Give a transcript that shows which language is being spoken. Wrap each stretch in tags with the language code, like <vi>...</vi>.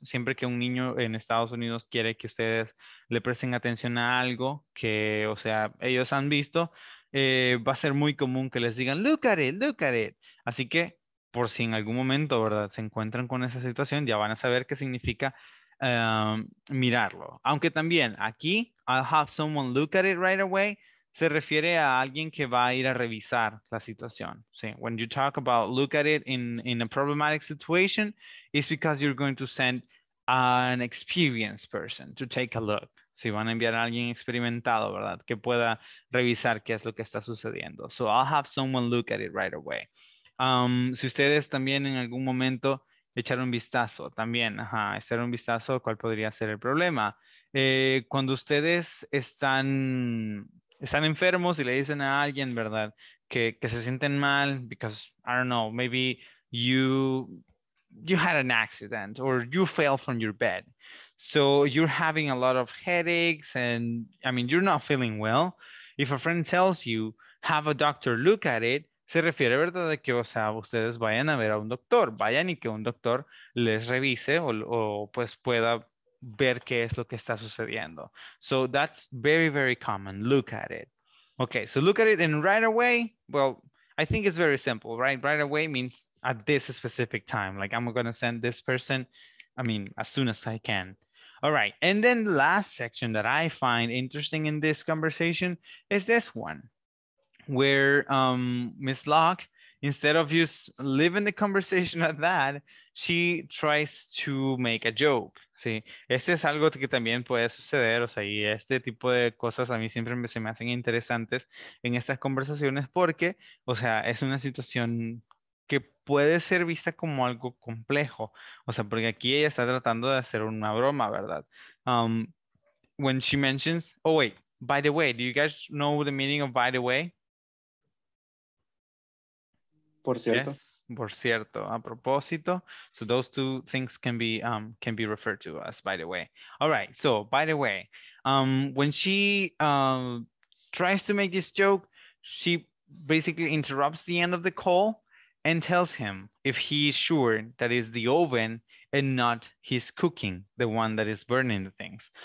<es>Siempre que un niño en Estados Unidos quiere que ustedes le presten atención a algo que, o sea, ellos han visto, va a ser muy común que les digan,</es> <en>look at it, look at it.</en> <es>Así que, por si en algún momento, ¿verdad?, se encuentran con esa situación, ya van a saber qué significa mirarlo. Aunque también aquí,</es> <en>I'll have someone look at it right away,</en> <es>se refiere a alguien que va a ir a revisar la situación. Sí.</es> <en>When you talk about look at it in a problematic situation, it's because you're going to send an experienced person to take a look.</en> <es>Si van a enviar a alguien experimentado, ¿verdad? Que pueda revisar qué es lo que está sucediendo.</es> <en>So I'll have someone look at it right away.</en> <es>Si ustedes también en algún momento echar un vistazo también, ajá, echar un vistazo, ¿cuál podría ser el problema? Cuando ustedes están enfermos y le dicen a alguien, ¿verdad? Que se sienten mal</es> <en>because, I don't know, maybe you had an accident or you fell from your bed. So you're having a lot of headaches and, I mean, you're not feeling well. If a friend tells you, have a doctor look at it,</en> <es>se refiere, ¿verdad?, de que, o sea, ustedes vayan a ver a un doctor. Vayan y que un doctor les revise o pues pueda ver qué es lo que está sucediendo.</es> <en>So that's very, very common. Look at it. Okay, so look at it and right away, well, I think it's very simple, right? Right away means at this specific time. Like, I'm going to send this person, I mean, as soon as I can. All right, and then the last section that I find interesting in this conversation is this one, where Miss Locke, instead of just leaving the conversation at that, she tries to make a joke.</en> <es>Sí, este es algo que también puede suceder, o sea, y este tipo de cosas a mí siempre se me hacen interesantes en estas conversaciones porque, o sea, es una situación que puede ser vista como algo complejo, o sea, porque aquí ella está tratando de hacer una broma, ¿verdad?</es> <en>When she mentions, oh wait, by the way, do you guys know the meaning of by the way?</en> <es>Por cierto. Yes, por cierto, a propósito.</es> <en>So those two things can be referred to as by the way. All right, so by the way, when she tries to make this joke, she basically interrupts the end of the call and tells him if he is sure that it's the oven and not his cooking, the one that is burning the things.</en>